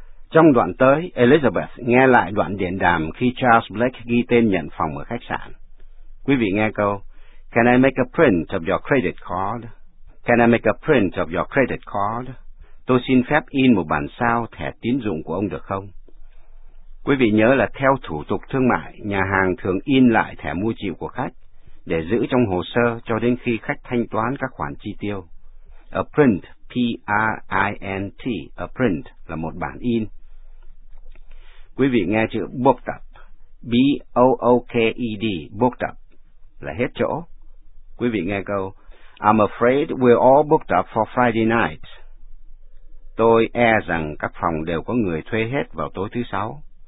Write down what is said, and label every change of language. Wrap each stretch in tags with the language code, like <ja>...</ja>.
<vi>Trong đoạn tới, Elizabeth nghe lại đoạn điện đàm khi Charles Blake ghi tên nhận phòng ở khách sạn. Quý vị nghe câu,</vi> <en>Can I make a print of your credit card? Can I make a print of your credit card?</en> <vi>Tôi xin phép in một bản sao thẻ tín dụng của ông được không? Quý vị nhớ là theo thủ tục thương mại, nhà hàng thường in lại thẻ mua chịu của khách để giữ trong hồ sơ cho đến khi khách thanh toán các khoản chi tiêu. A print, P-R-I-N-T, a print, là một bản in. Quý vị nghe chữ booked up, B-O-O-K-E-D, booked up, là hết chỗ. Quý vị nghe câu,</vi> <en>I'm afraid we're all booked up for Friday night.</en> <vi>Tôi e rằng các phòng đều có người thuê hết vào tối thứ sáu.</vi>